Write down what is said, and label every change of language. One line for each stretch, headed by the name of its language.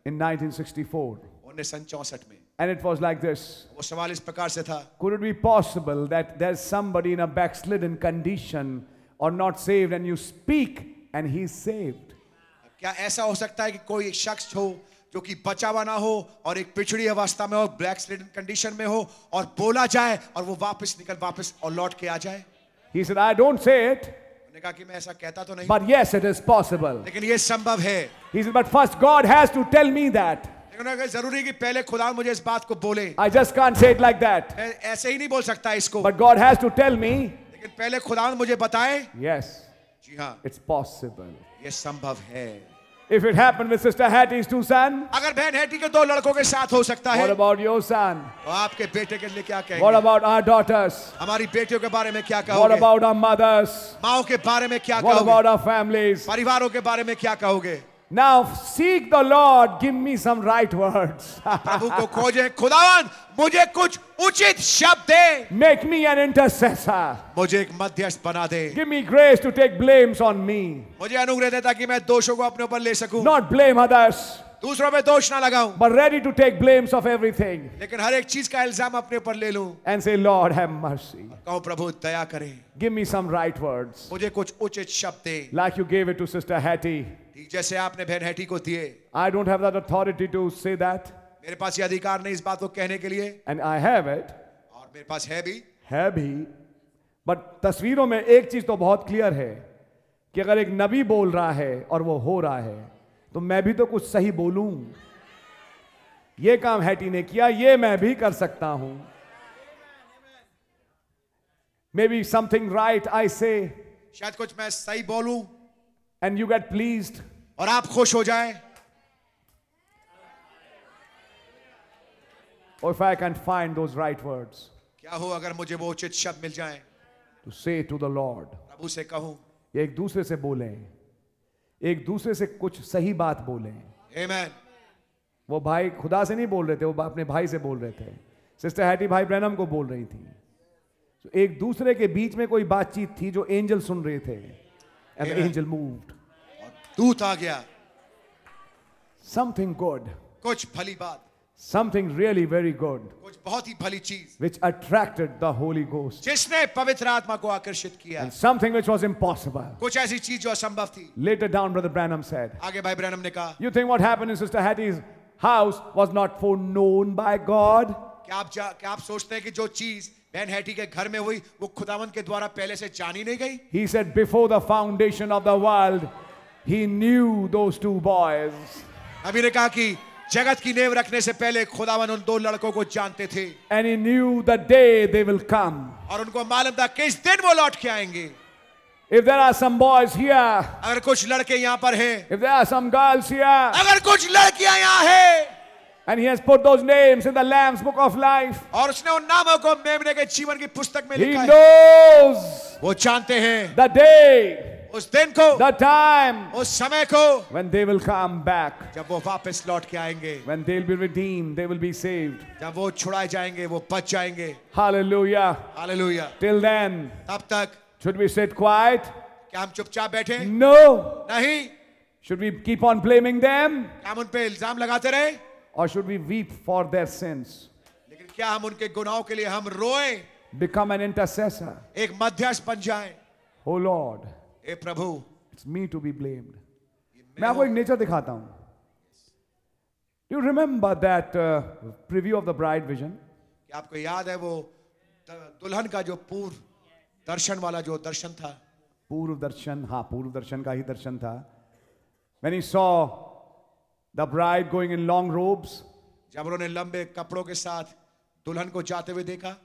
English: In 1964.
Hindi: 1964 में.
English: And it was like this.
Hindi: वो सवाल इस प्रकार से था.
English: Could it be possible that there's somebody in a backslidden condition or not saved and you speak and he's saved?
Hindi: क्या ऐसा हो सकता है कि कोई एक शख्स हो जो कि बचा हुआ ना हो और एक पिछड़ी अवस्था में हो, बैकस्लिडन कंडीशन में हो, और बोला जाए और वो वापस निकल वापस और लौट के आ जाए?
English: He said, "I don't say it."
Hindi: उन्होंने कहा कि मैं ऐसा कहता तो नहीं.
English: But yes, it is possible.
Hindi: लेकिन ये संभव है.
English: He said, "But first, God has to tell me that."
Hindi: जरूरी कि पहले खुदा मुझे इस बात को बोले.
English: I just can't say it like that.
Hindi: मैं ऐसे ही नहीं बोल सकता इसको.
English: But God has to tell me.
Hindi: लेकिन पहले खुदा मुझे बताए.
English: Yes.
Hindi: जी हाँ.
English: It's possible.
Hindi: ये संभव है.
English: If it happened with Sister Hattie's two sons,
Hindi: अगर बहन हैटी के दो लड़कों के साथ हो सकता है,
English: what about your son?
Hindi: आपके बेटे के लिए क्या कहेंगे?
English: What about our daughters?
Hindi: हमारी बेटियों के बारे में क्या कहोगे?
English: What about our mothers?
Hindi: माओं के बारे में क्या कहोगे?
English: What about our families?
Hindi: परिवारों के बारे में क्या कहोगे?
English: Now seek the Lord, give me some right words.
Hindi: प्रभु को खोजें, खुदावन मुझे कुछ उचित शब्द दे.
English: Make me an intercessor.
Hindi: मुझे एक मध्यस्थ बना दे.
English: Give me grace to take blames on me.
Hindi: मुझे अनुग्रह दे ताकि मैं दोषों को अपने ऊपर ले सकूं.
English: Not blame others.
Hindi: दूसरों पे दोष ना लगाऊं.
English: But ready to take blames of everything.
Hindi: लेकिन हर एक चीज का इल्जाम अपने ऊपर ले लूं.
English: And say, Lord, have mercy.
Hindi: कहो प्रभु दया करें.
English: Give me some right words.
Hindi: मुझे कुछ उचित शब्द दे.
English: Like you gave it to Sister Hattie.
Hindi: जैसे आपने बहन हैटी को दिए.
English: I don't have that authority to say that.
Hindi: मेरे पास ये अधिकार नहीं इस बात को कहने के लिए.
English: And I have it.
Hindi: और मेरे पास है भी. है भी. But तस्वीरों में एक चीज तो बहुत क्लियर है कि अगर एक नबी बोल रहा है और वो हो रहा है तो मैं भी तो कुछ सही बोलूं. ये काम हैटी ने किया, ये मैं भी कर सकता हूं.
English: maybe something right I say,
Hindi: शायद कुछ मैं सही बोलू.
English: And you get pleased.
Hindi: और आप खुश हो जाए.
English: Or if I can find those right words.
Hindi: क्या हो अगर मुझे वो उचित शब्द मिल जाए.
English: To say to the Lord.
Hindi: प्रभु से कहूं. एक दूसरे से बोलें. एक दूसरे से कुछ सही बात बोलें.
English: Amen.
Hindi: वो भाई खुदा से नहीं बोल रहे थे, वो अपने भाई से बोल रहे थे. सिस्टर हैटी भाई ब्रैनम को बोल रही थी. So एक दूसरे के बीच में कोई बातचीत थी जो एंजल सुन रहे थे.
English: And the angel moved.
Hindi: दूत आ गया.
English: Something good.
Hindi: कुछ भली बात.
English: Something really very good.
Hindi: कुछ बहुत ही भली चीज.
English: Which attracted the Holy Ghost.
Hindi: जिसने पवित्र आत्मा को आकर्षित किया.
English: And something which was impossible.
Hindi: कुछ ऐसी चीज जो असंभव थी.
English: Later down, Brother Branham said.
Hindi: आगे भाई ब्रैनम ने कहा.
English: You think what happened in Sister Hattie's house was not foreknown by God?
Hindi: क्या आप सोचते हैं कि जो चीज बेन हैटी के घर में हुई वो खुदावंत के द्वारा पहले से जानी नहीं गई.
English: He said before the foundation of the world, he knew those two boys.
Hindi: अभी ने कहा कि जगत की नेव रखने से पहले खुदावन उन दो लड़कों को जानते थे.
English: And he knew the day they will come.
Hindi: और उनको मालूम था किस दिन वो लौट के आएंगे.
English: If there are some boys here,
Hindi: अगर कुछ लड़के यहाँ पर हैं.
English: If there are some girls here,
Hindi: अगर कुछ लड़कियाँ यहाँ हैं.
English: And he has put those names in the Lamb's Book of Life.
Hindi: और उसने उन नामों को मेमने के जीवन की पुस्तक में लिखा है.
English: He knows.
Hindi: वो जानते हैं.
English: The day.
Hindi: उस दिन को.
English: The time.
Hindi: उस समय को.
English: When they will come back.
Hindi: जब वो वापस लौट के आएंगे.
English: When they'll be redeemed, they will be saved.
Hindi: जब वो छुड़ाए जाएंगे, वो बच जाएंगे.
English: Hallelujah. Hallelujah. Till then.
Hindi: तब तक.
English: Should we sit quiet?
Hindi: क्या हम चुपचाप बैठे?
English: No.
Hindi: नहीं.
English: Should we keep on blaming them?
Hindi: क्या हम उन पे इल्जाम लगाते रहे?
English: Or should we weep for their sins?
Hindi: लेकिन क्या हम उनके गुनाहों के लिए हम रोए?
English: Become an intercessor.
Hindi: एक मध्यस्थ बन जाएं.
English: Oh Lord.
Hindi: A Prabhu.
English: It's me to be blamed.
Hindi: मैं आपको एक नेचर दिखाता हूं.
English: Do you remember that preview of the bride vision?
Hindi: क्या आपको याद है वो दुल्हन का जो पूर्व दर्शन वाला जो दर्शन था? पूर्व दर्शन. हाँ, पूर्व दर्शन का ही दर्शन था.
English: When he saw the bride going in long robes,
Hindi: जब उन्होंने लंबे कपड़ों के साथ दुल्हन को जाते हुए देखा.